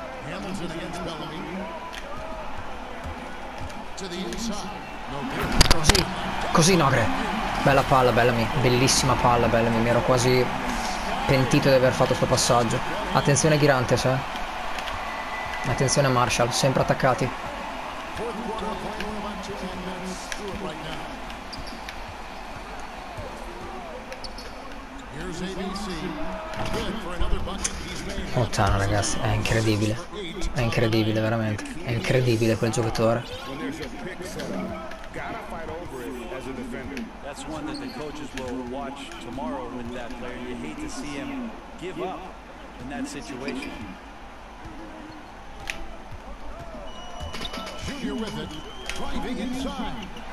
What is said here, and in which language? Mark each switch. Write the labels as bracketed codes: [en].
[en] Hamilton against Bellamy to the inside. [it] Così, così Nogre. Bella palla, Bellamy. Bellissima palla, Bellamy. Mi ero quasi pentito di aver fatto questo passaggio. Attenzione Girantes, eh. Attenzione Marshall, sempre attaccati. Montana ragazzi, è incredibile. È incredibile veramente. È incredibile quel giocatore. [en] That's one that the coaches will watch tomorrow with that player. You hate to see him give up in that situation. Junior with it, driving inside.